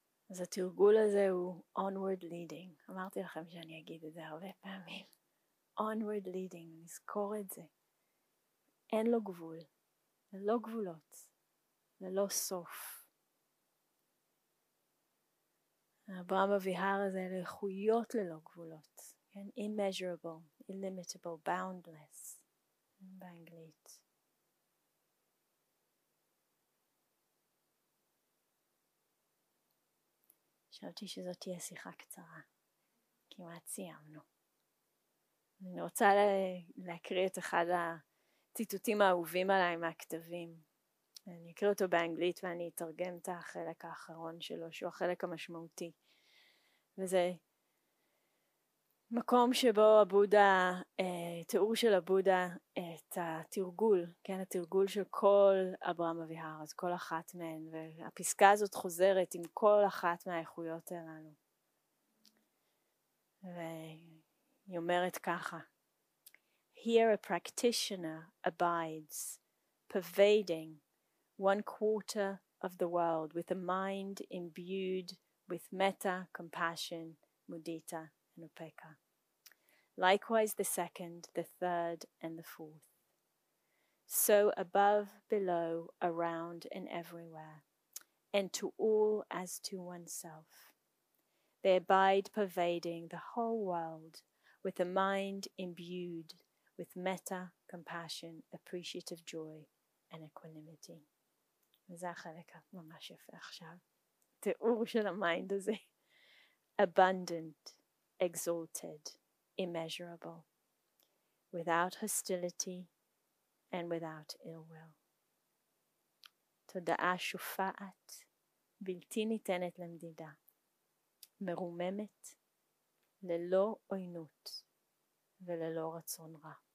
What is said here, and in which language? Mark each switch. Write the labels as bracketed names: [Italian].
[Hebrew] אז התרגול הזה הוא [English] onward leading. [Hebrew] אמרתי לכם שאני אגיד את זה הרבה פעמים. [English] onward leading, [Hebrew] נזכור את זה. אין לו גבול, ללא גבולות, ללא סוף. אברהם אביהר הזה, לאיכויות ללא גבולות. כן? [English] immeasurable, illimitable, boundless, [Hebrew] באנגלית. חשבתי שזאת תהיה שיחה קצרה, כמעט סיימנו. אני רוצה להקריא את אחד הציטוטים האהובים עליי מהכתבים. אני אקריא אותו באנגלית ואני אתרגם את החלק האחרון שלו, שהוא החלק המשמעותי. וזה מקום שבו הבודה, תיאור של הבודה, את התרגול, כן, התרגול של כל אברהם אביהר, אז כל אחת מהן, והפסקה הזאת חוזרת עם כל אחת מהאיכויות הללו. והיא אומרת ככה, [English] Here a practitioner abides, pervading one quarter of the world with a mind imbued with metta, compassion, mudita, and upekkha. Likewise the second, the third, and the fourth. So above, below, around, and everywhere, and to all as to oneself. They abide pervading the whole world with a mind imbued with metta, compassion, appreciative joy, and equanimity. [Hebrew] וזה החלק ממש יפה עכשיו. תיאור של המיינד הזה. [English] Abundant, exalted. Immeasurable, without hostility and without ill will. [Hebrew] תודעה שופעת, בלתי ניתנת למדידה, מרוממת, ללא עוינות וללא רצון רע.